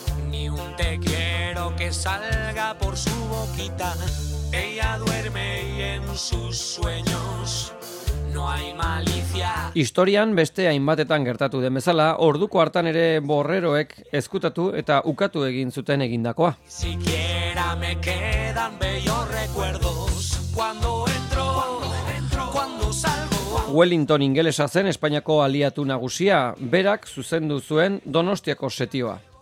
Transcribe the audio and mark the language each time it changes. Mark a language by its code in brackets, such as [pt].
[es] Ni un te quiero que salga por su boquita. Ella duerme y en sus sueños no hay malicia. [eu] Historian beste hainbatetan gertatu den bezala, orduko hartan ere borreroek ezkutatu eta ukatu egin zuten egindakoa. [es] Ni siquiera me quedan bellos recuerdos cuando entro, cuando salgo. [eu] Wellington ingelesa zen Espainiako aliatu nagusia, berak zuzendu zuen Donostiako setioa.